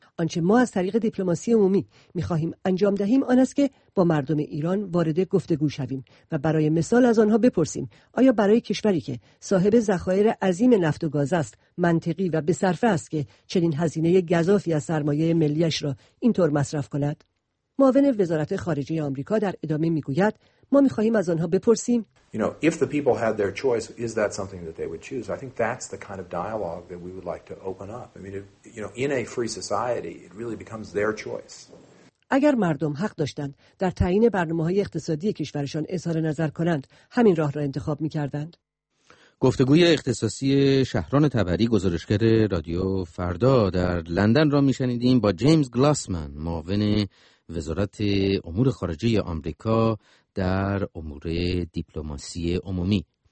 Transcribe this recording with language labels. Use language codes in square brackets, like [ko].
[fa] آنچه ما از طریق دیپلماسی عمومی می‌خواهیم انجام دهیم آن است که با مردم ایران وارد گفتگو شویم و برای مثال از آنها بپرسیم آیا برای کشوری که صاحب ذخایر عظیم نفت و گاز است منطقی و بصرفه است که چنین هزینه گزافی از سرمایه ملیش را اینطور مصرف کند؟ معاون وزارت خارجه آمریکا در ادامه می‌گوید ما می‌خواهیم از آنها بپرسیم [en] You know, if the people had their choice, is that something that they would choose? I think that's the kind of dialogue that we would like to open up. I mean, if, you know, in a free society, it really becomes their choice. [fa] اگر مردم حق داشتند در تعیین برنامه‌های اقتصادی کشورشان اظهار نظر کنند، همین راه را انتخاب می‌کردند. گفتگوی اختصاصی شهران تبری گزارشگر رادیو فردا در لندن را می‌شنیدیم با جیمز گلاسمن، معاون وزارت امور خارجه آمریکا در امور دیپلماسی عمومی.